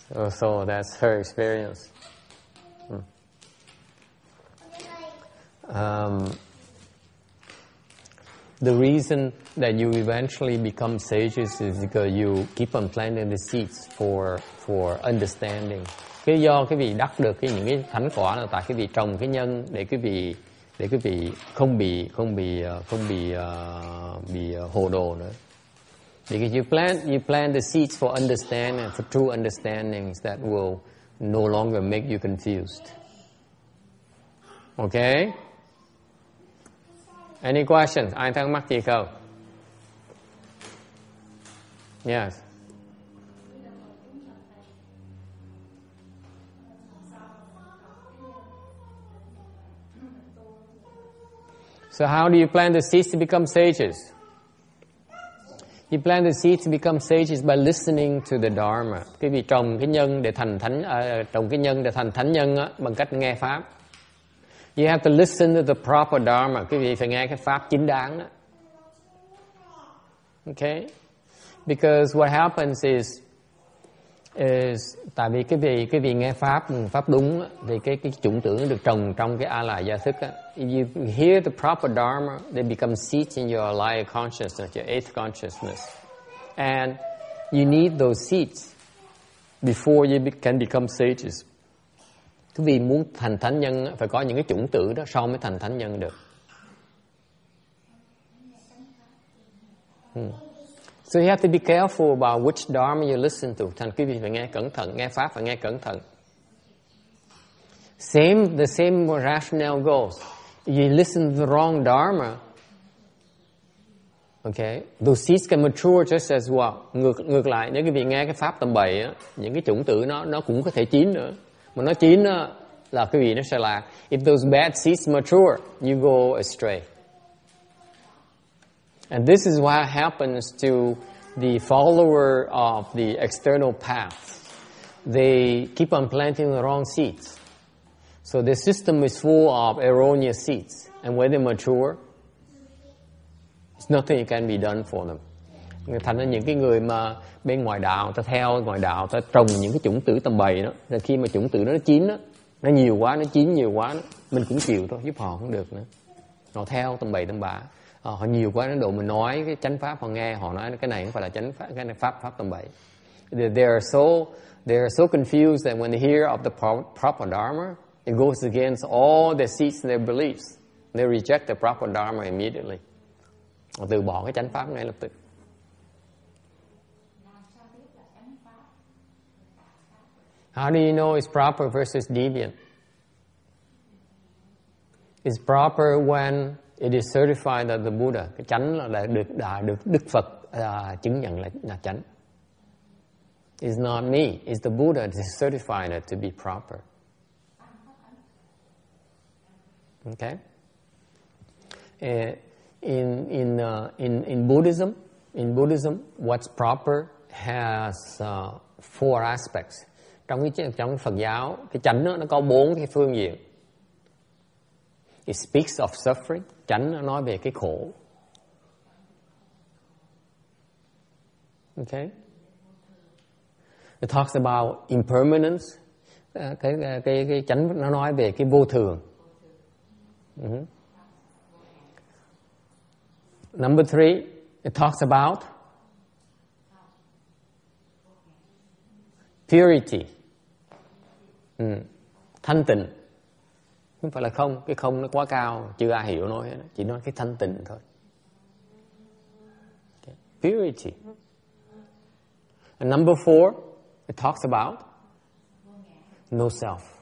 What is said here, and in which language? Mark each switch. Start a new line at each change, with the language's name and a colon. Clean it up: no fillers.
English: So that's her experience. The reason that you eventually become sages is because you keep on planting the seeds for understanding.
Vietnamese: Cái do cái vị đắc được cái những cái thánh quả là tại cái vị trồng cái nhân để cái vị không bị hồ đồ nữa.
English: Because you plant the seeds for understanding, for true understandings that will no longer make you confused. Okay? Any questions?
Vietnamese: Ai thắc mắc gì không?
English: Yes. So how do you plant the seeds to become sages? You plant the seeds to become sages by listening to the Dharma.
Vietnamese: Cái vị trồng cái nhân để thành thánh, trồng cái nhân để thành thánh nhân á, bằng cách nghe pháp.
English: You have to listen to the proper dharma.
Vietnamese: Quý vị phải nghe cái pháp chính đáng đó.
English: Okay? Because what happens is
Vietnamese: tại vì quý vị nghe pháp đúng thì cái chủng tưởng được trồng trong cái a lại gia thức á.
English: If you hear the proper dharma, they become seeds in your life consciousness, your eighth consciousness. And you need those seeds before you can become sages.
Vietnamese: Quý vị muốn thành thánh nhân phải có những cái chủng tử đó sau mới thành thánh nhân được.
English: So you have to be careful about which dharma you listen to.
Vietnamese: Thành quý vị phải nghe cẩn thận, nghe pháp phải nghe cẩn thận.
English: Same, the same rationale goes. You listen to the wrong dharma. Okay, those seeds can mature just as well.
Vietnamese: Ngược lại, nếu quý vị nghe cái pháp tầm bậy á, những cái chủng tử nó cũng có thể chín nữa. Mà nó chín á, là quý vị nó sẽ là
English: if those bad seeds mature, you go astray. And this is what happens to the follower of the external path. They keep on planting the wrong seeds. So the system is full of erroneous seeds. And when they mature, it's nothing can be done for them.
Vietnamese: Thành ra những cái người mà bên ngoài đạo, ta theo ngoài đạo, ta trồng những cái chủng tử tầm bậy đó. Rồi khi mà chủng tử nó chín đó, nó nhiều quá, nó chín nhiều quá, mình cũng chịu thôi, giúp họ không được nữa. Họ theo tầm bậy tầm bạ. Họ nhiều quá đến độ mình nói cái chánh pháp họ nghe, họ nói cái này không phải là chánh pháp, cái này pháp tầm bậy.
English: They are so confused that when they hear of the proper dharma, it goes against all their seeds and their beliefs. They reject the proper dharma immediately.
Vietnamese: Họ từ bỏ cái chánh pháp ngay lập tức.
English: How do you know it's proper versus deviant? It's proper when it is certified that the Buddha,
Vietnamese: cái chánh là được Đức Phật chứng nhận là chánh.
English: It's not me, it's the Buddha that is certified to be proper. Okay? In Buddhism, what's proper has four aspects.
Vietnamese: Trong Phật giáo, cái chánh nó có bốn cái phương diện.
English: It speaks of suffering.
Vietnamese: Chánh nó nói về cái khổ.
English: Okay. It talks about impermanence.
Vietnamese: Cái chánh nó nói về cái vô thường.
English: Number three, it talks about purity.
Vietnamese: Thanh tịnh. Không phải là không, cái không nó quá cao, chưa ai hiểu nói hết, chỉ nói cái thanh tịnh thôi.
English: Okay. Purity. And number four, it talks about no self.